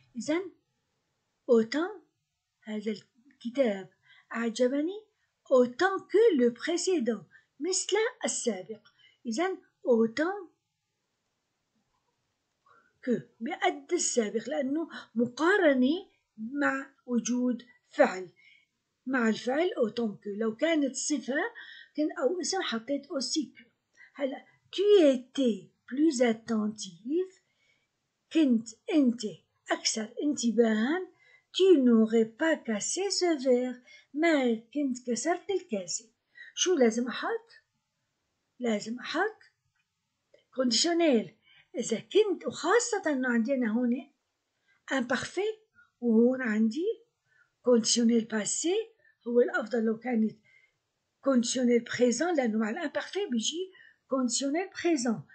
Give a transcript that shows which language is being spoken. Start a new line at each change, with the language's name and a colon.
Arabic: إذن autant هذا الكتاب أعجبني،
French: autant que le précédent
Arabic: مثل السابق. إذن autant que بقد السابق، لأنه مقارنة مع وجود فعل، مع الفعل autant que. لو كانت صفة أو اسم حطيت aussi que. هلا
French: tu étais plus attentif،
Arabic: كنت أنت أكثر انتباها،
French: tu n'aurais pas cassé ce verre،
Arabic: ما كنت كسرت الكاسة. شو لازم أحط؟ لازم أحط conditionnel إذا كنت، وخاصة أنه عندنا هون imparfait وهون عندي conditionnel passé، هو الأفضل لو كانت conditionnel présent، لأنه مع الامبارفيه بيجي conditionnel présent.